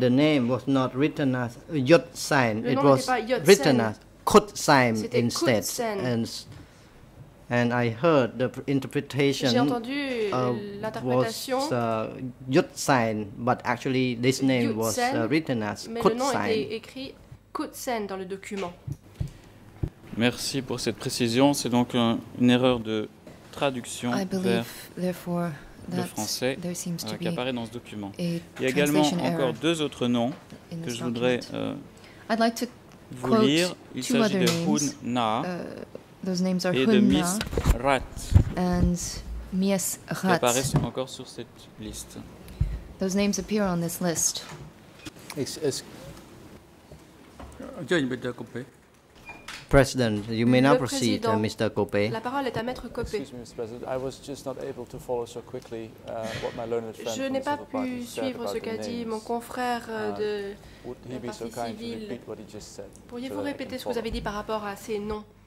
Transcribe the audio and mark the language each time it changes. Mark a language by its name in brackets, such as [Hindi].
[English] the name was not written as Yut Sain. It was written as Kut Sain instead. And I heard the interpretation was Yut Sain, but actually this name was written as Kut Sain. [French] Écrit Kut Sain dans le document. Merci pour cette précision. C'est donc une erreur de traduction vers le français qui apparaît dans ce document. Il y a également encore deux autres noms que je voudrais vous lire. Il s'agit de Hun Na. [English] Those names are [French] et Hun de Miss Rat, [English] and Mies Rat [French] qui apparaissent encore sur cette liste. [English] Those names appear on this list. President, you may now proceed, Mr. Copé. [French] La parole est à Maître Copé. [English] Excuse me, Mr. President, I was just not able to follow so quickly what my learned friend. [French] Je n'ai pas pu suivre ce qu'a dit mon confrère de la partie [English] so [French] civile. Pourriez-vous répéter ce que vous avez dit par rapport à ces noms?